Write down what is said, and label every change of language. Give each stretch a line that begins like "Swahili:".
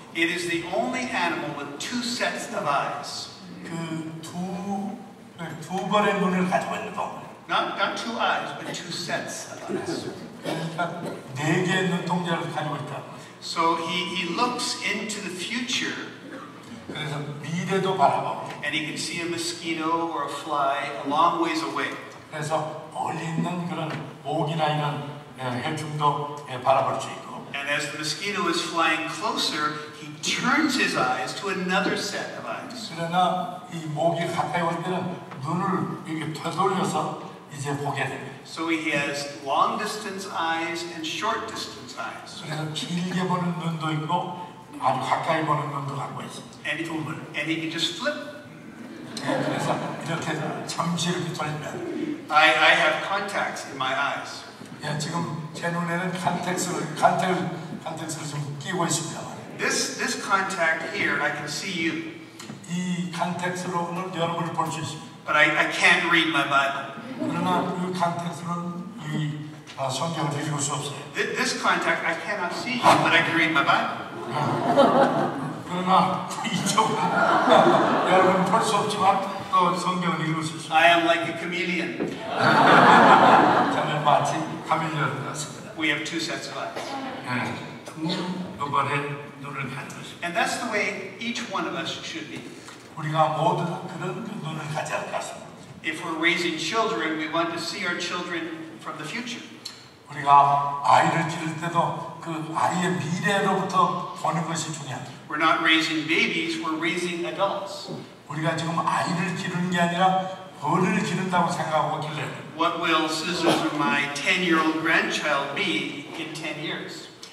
English: It is the only animal with two sets of eyes.
Korean: 그두 번의 눈을 가지고 있는 동물.
English: Not two eyes, but two sets of eyes.
Korean: 네 개의 눈 동자를 가지고 있다.
English: So he looks into the future.
Korean: 그래서 미래도 바라봐.
English: And he can see a mosquito or a fly a long ways away.
Korean: 그래서 멀리 있는 그런 모기나 이런 해충도 바라볼 수 있고.
English: And as the mosquito is flying closer, he turns his eyes to another set of eyes.
Korean: 그러나 이 모기 가까이 올 때는 눈을 이렇게 되돌려서 이제 보게 됩니다.
English: So he has long distance eyes and short distance eyes.
Korean: 그래서 길게 보는 눈도 있고. 아주 가까이 보는 눈도 갖고 있습니다.
English: And he can just flip.
Korean: 그래서 이렇게 잠시 이렇게 돌리면.
English: I have contacts in my eyes.
Korean: 예, 지금 제 눈에는 컨택스를 좀 끼고 있습니다.
English: This contact here, I can see you.
Korean: 이 컨택스로 오늘 여러분을 볼 수 있습니다.
English: But I can't read my Bible.
Korean: 그러나 이 컨택스는 이 성경을 읽을 수 없어요.
English: This contact, I cannot see you, but I can read my Bible.
Korean: 그러나 이쪽은 여러분 볼 수 없지만 또 성경을 읽을 수 있어요.
English: I am like a chameleon.
Korean: 저는 마치 카멜레온 같습니다.
English: We have two sets of eyes.
Korean: 두 번의 눈을 가지고 있어요.
English: And that's the way each one of us should be.
Korean: 우리가 모두 그런 눈을 가져야 할 것 같습니다.
English: If we're raising children, we want to see our children from the future.
Korean: 우리가 아이를 기를 때도 그 아이의 미래로부터 보는 것이 중요합니다.
English: We're not raising babies, we're raising adults.
Korean: 우리가 지금 아이를 기르는 게 아니라 어른을 기른다고 생각하고 길래.
English: What will scissors of my 10-year-old grandchild be in 10 years?